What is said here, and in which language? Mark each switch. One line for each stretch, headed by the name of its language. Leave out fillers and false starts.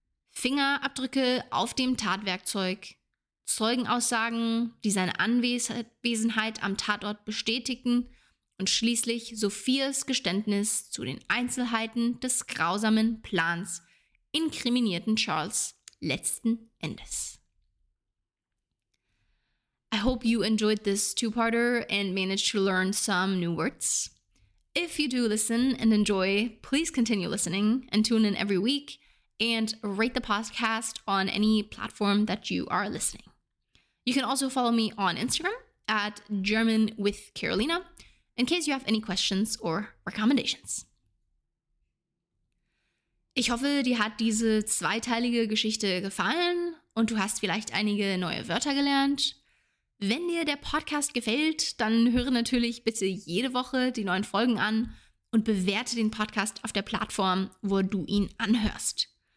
German: Fingerabdrücke auf dem Tatwerkzeug, Zeugenaussagen, die seine Anwesenheit am Tatort bestätigten und schließlich Sophias Geständnis zu den Einzelheiten des grausamen Plans inkriminierten Charles letzten Endes.
English: I hope you enjoyed this two-parter and managed to learn some new words. If you do listen and enjoy, please continue listening and tune in every week and rate the podcast on any platform that you are listening. You can also follow me on Instagram at GermanWithCarolina in case you have any questions or recommendations.
German: Ich hoffe, dir hat diese zweiteilige Geschichte gefallen und du hast vielleicht einige neue Wörter gelernt. Wenn dir der Podcast gefällt, dann höre natürlich bitte jede Woche die neuen Folgen an und bewerte den Podcast auf der Plattform, wo du ihn anhörst.